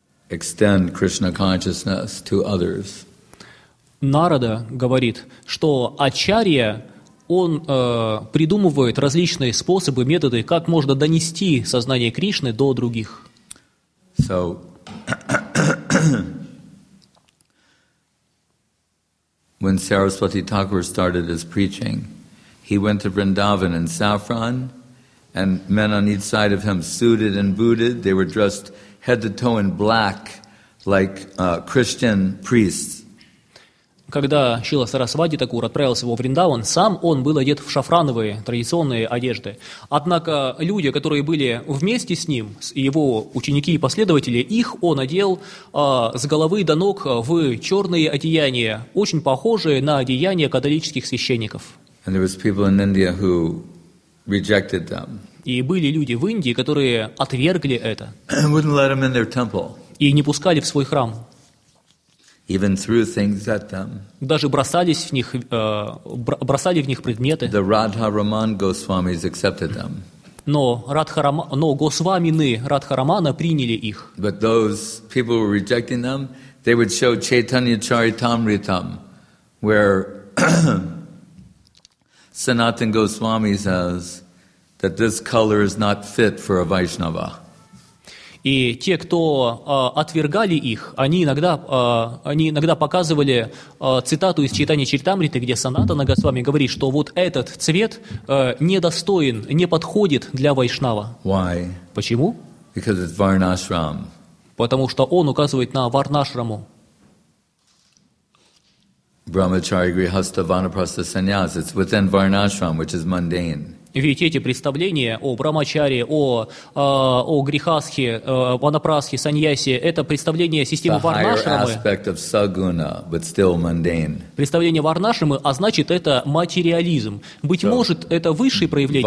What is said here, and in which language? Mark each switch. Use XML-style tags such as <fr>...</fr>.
<en>extend Krishna consciousness to others.</en> <ru>Нарада говорит, что ачарья он придумывает различные способы, методы, как можно донести сознание Кришны до других.</ru> <en>So, when Saraswati Thakur started his preaching, he went to Vrindavan in saffron, and men on each side of him suited and booted. They were dressed head to toe in black, like Christian priests.</en> <ru>Когда Шрила Сарасвати Такур отправился во Вриндаван, сам он был одет в шафрановые традиционные одежды. Однако люди, которые были вместе с ним, его ученики и последователи, их он одел с головы до ног в черные одеяния, очень похожие на одеяния католических священников.</ru> <en>And there was people in India who rejected them.</en> <ru>И были люди в Индии, которые отвергли это.</ru> <en>Wouldn't let them in their temple.</en> <ru>И не пускали в свой храм.</ru> <en>Even threw things at them.</en> <ru>Даже бросались в них, бросали в них предметы.</ru> <en>The Radha Raman Goswamis accepted them.</en> <ru>Но Госвамины Радха Рамана приняли их.</ru> <en>But those people who were rejecting them, they would show Chaitanya Charitamritam, where Sanatan Goswami says that this color is not fit for a Vaishnava.</en> <ru>И те, кто отвергали их, они иногда показывали цитату из Чайтаньи Чаритамриты, где Санатана Госвами говорит, что вот этот цвет недостоин, не подходит для вайшнава.</ru> <en>Why?</en> <ru>Почему?</ru> <en>Because it's Varnashram.</en> <ru>Потому что он указывает на Варнашраму.</ru> <en>Brahmachari Grihastha Vanaprastha Sannyas. It's within Varnashram, which is mundane.</en> <ru>Ведь эти представления о брамачаре, о грихасхе, ванапрасхе, саньясе – это представление системы варнашрамы. Представление варнашрамы, а значит, это материализм. Быть может, это высшие проявления.</ru>